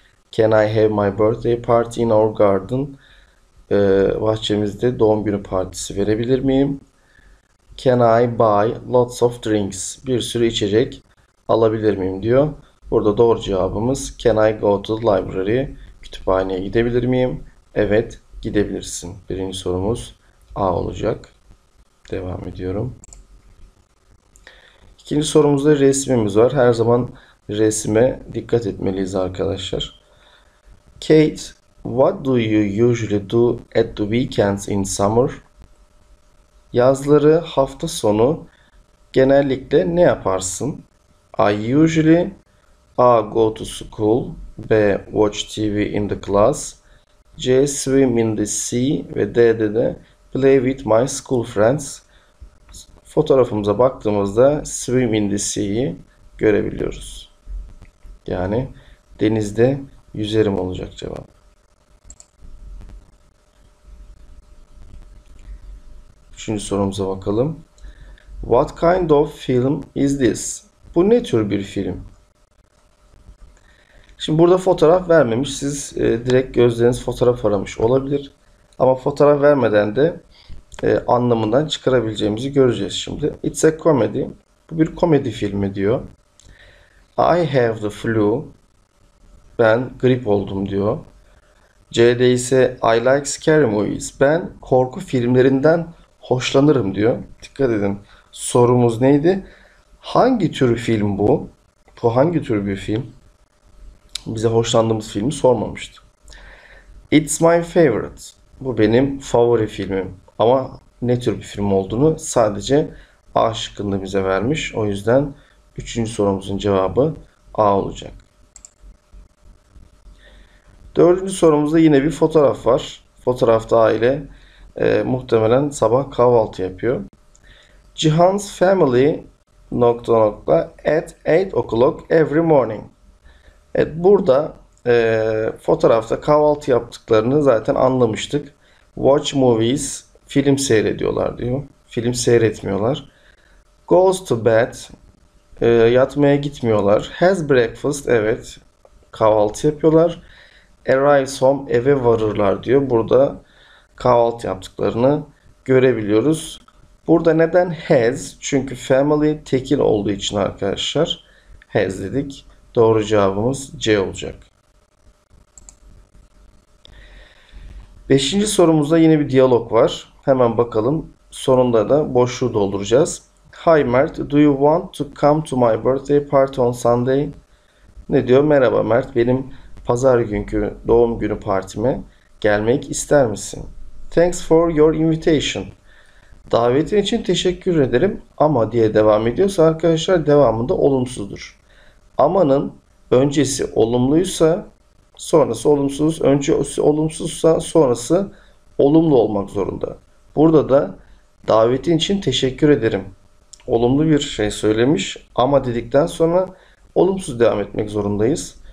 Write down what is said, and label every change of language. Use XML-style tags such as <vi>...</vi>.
<en>Can I have my birthday party in our garden?</en> <tr>Bahçemizde doğum günü partisi verebilir miyim?</tr> <en>Can I buy lots of drinks?</en> <tr>Bir sürü içecek alabilir miyim diyor. Burada doğru cevabımız</tr> <en>Can I go to the library?</en> <tr>Kütüphaneye gidebilir miyim? Evet, gidebilirsin. Birinci sorumuz A olacak. Devam ediyorum. İkinci sorumuzda resmimiz var. Her zaman resme dikkat etmeliyiz arkadaşlar.</tr> <en>Kate, what do you usually do at the weekends in summer?</en> <tr>Yazları hafta sonu genellikle ne yaparsın?</tr> <en>I usually A. Go to school. B. Watch TV in the class. C. Swim in the sea.</en> <tr>Ve D'de de</tr> <en>play with my school friends.</en> <tr>Fotoğrafımıza baktığımızda</tr> <en>swim in the sea'yi</en> <tr>görebiliyoruz. Yani denizde yüzerim olacak cevap. Üçüncü sorumuza bakalım.</tr> <en>What kind of film is this?</en> <tr>Bu ne tür bir film? Şimdi burada fotoğraf vermemiş. Siz direkt gözleriniz fotoğraf aramış olabilir. Ama fotoğraf vermeden de anlamından çıkarabileceğimizi göreceğiz şimdi.</tr> <en>It's a comedy.</en> <tr>Bu bir komedi filmi diyor.</tr> <en>I have the flu.</en> <tr>Ben grip oldum diyor. C'de ise</tr> <en>I like scary movies.</en> <tr>Ben korku filmlerinden hoşlanırım diyor. Dikkat edin. Sorumuz neydi? Hangi tür film bu? Bu hangi tür bir film? Bize hoşlandığımız filmi sormamıştı.</tr> <en>It's my favorite.</en> <tr>Bu benim favori filmim. Ama ne tür bir film olduğunu sadece A şıkkında bize vermiş. O yüzden üçüncü sorumuzun cevabı A olacak. Dördüncü sorumuzda yine bir fotoğraf var. Fotoğrafta aile muhtemelen sabah kahvaltı yapıyor.</tr> <en>Cihan's family</en> <tr>nokta nokta</tr> <en>at 8 o'clock every morning.</en> <tr>Evet, burada fotoğrafta kahvaltı yaptıklarını zaten anlamıştık.</tr> <en>Watch movies,</en> <tr>film seyrediyorlar diyor. Film seyretmiyorlar.</tr> <en>Goes to bed,</en> <tr>yatmaya gitmiyorlar.</tr> <en>Has breakfast,</en> <tr>evet, kahvaltı yapıyorlar.</tr> <en>Arrives home,</en> <tr>eve varırlar diyor. Burada kahvaltı yaptıklarını görebiliyoruz. Burada neden has? Çünkü family tekil olduğu için arkadaşlar has dedik. Doğru cevabımız C olacak. Beşinci sorumuzda yine bir diyalog var. Hemen bakalım. Sonunda da boşluğu dolduracağız.</tr> <en>Hi Mert, do you want to come to my birthday party on Sunday?</en> <tr>Ne diyor? Merhaba Mert, benim pazar günkü doğum günü partime gelmek ister misin?</tr> <en>Thanks for your invitation.</en> <tr>Davetin için teşekkür ederim ama diye devam ediyorsa arkadaşlar devamında olumsuzdur. Amanın öncesi olumluysa sonrası olumsuz. Öncesi olumsuzsa sonrası olumlu olmak zorunda. Burada da davetin için teşekkür ederim. Olumlu bir şey söylemiş ama dedikten sonra olumsuz devam etmek zorundayız.</tr>